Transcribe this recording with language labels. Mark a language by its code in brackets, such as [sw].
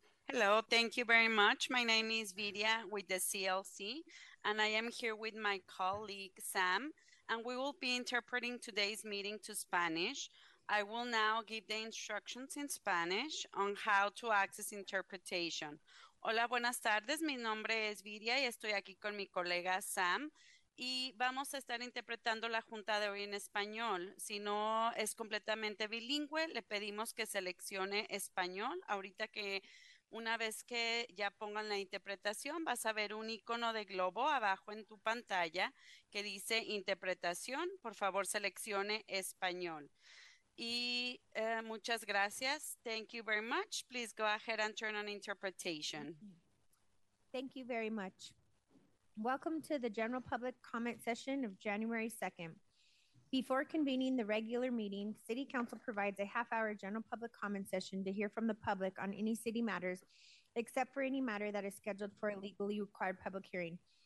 [en] Hello, thank you very much. My name is Vidya with the CLC, and I am here with my colleague Sam, and we will be interpreting today's meeting to Spanish. I will now give the instructions in Spanish on how to access interpretation. [es] Hola, buenas tardes. Mi nombre es Vidya y estoy aquí con mi colega Sam. Y vamos a estar interpretando la junta de hoy en español. Si no es completamente bilingüe, le pedimos que seleccione español. Ahorita que una vez que ya pongan la interpretación, vas a ver un icono de globo abajo en tu pantalla que dice interpretación. Por favor, seleccione español. Y muchas gracias. [en] Thank you very much. Please go ahead and turn on interpretation. Thank you very much. Welcome to the general public comment session of January 2nd. Before convening the regular meeting, City Council provides a half-hour general public comment session to hear from the public on any city matters, except for any matter that is scheduled for a legally required public hearing.